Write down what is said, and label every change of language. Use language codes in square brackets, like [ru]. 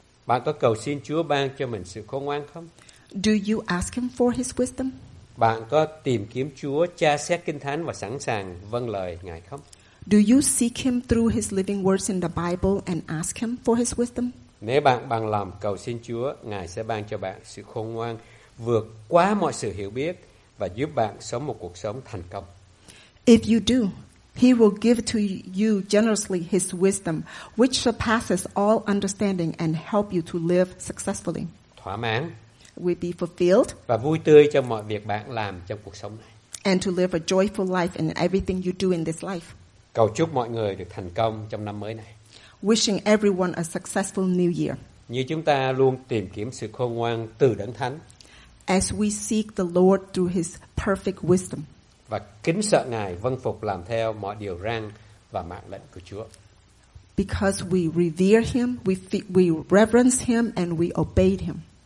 [vi] Bạn có cầu xin Chúa ban cho mình sự khôn ngoan không? [en] Do you ask him for his wisdom? [vi] Bạn có tìm kiếm Chúa, tra xét Kinh Thánh và sẵn sàng vâng lời Ngài không? [en] Do you seek him through his living words in the Bible and ask him for his wisdom? [vi] Nếu bạn bằng lòng cầu xin Chúa, Ngài sẽ ban cho bạn sự khôn ngoan vượt quá mọi sự hiểu biết và giúp bạn sống một cuộc sống thành công. [en] If you do, he will give to you generously his wisdom, which surpasses all understanding and help you to live successfully. [vi] Thỏa mãn. [en] Will be fulfilled. [vi] Và vui tươi trong mọi việc bạn làm trong cuộc sống này. [en] And to live a joyful life in everything you do in this life. [vi] Cầu chúc mọi người được thành công trong năm mới này. [en] Wishing everyone a successful new year. [vi] Như chúng ta luôn tìm kiếm sự khôn ngoan từ Đấng Thánh. [en] As we seek the Lord through his perfect wisdom. [vi] Và kính sợ Ngài, vâng phục làm theo mọi điều răn và mạng lệnh của Chúa. [en] Because we revere him, we reverence him and we obey him.